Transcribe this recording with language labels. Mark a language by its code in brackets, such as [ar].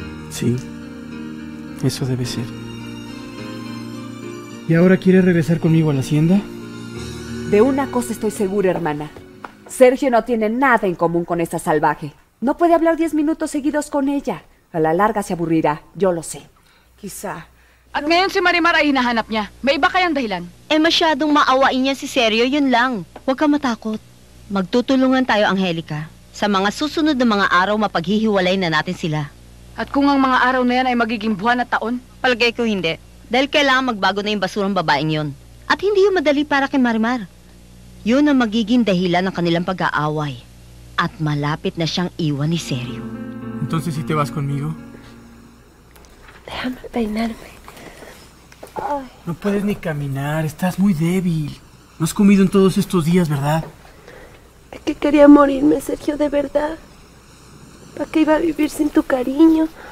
[es] Sí. Eso debe ser. ¿Y ahora quieres regresar conmigo a la hacienda? De una cosa estoy segura, hermana. Sergio no tiene nada en común con esa salvaje. No puede hablar 10 minutos seguidos con ella. A la larga se aburrirá, yo lo sé. Quizá. [tl] At ngayon si Marimar ay hinahanap niya. May iba kayang dahilan? Eh, masyadong maawain niya si Sergio, yun lang. Huwag ka matakot. Magtutulungan tayo, Angelica. Sa mga susunod na mga araw, mapaghihiwalay na natin sila. At kung ang mga araw na yan ay magiging buwan at taon? Palagay ko hindi. Dahil kailangan magbago na yung basurang babaeng yun. At hindi yung madali para kay Marimar. Yun ang magiging dahilan ng kanilang pag-aaway. At malapit na siyang iwan ni Sergio. [es] Entonces, si te vas conmigo? Déjame peinarme. No puedes ni caminar, estás muy débil. No has comido en todos estos días, ¿verdad? Es que quería morirme, Sergio, de verdad. ¿Para qué iba a vivir sin tu cariño?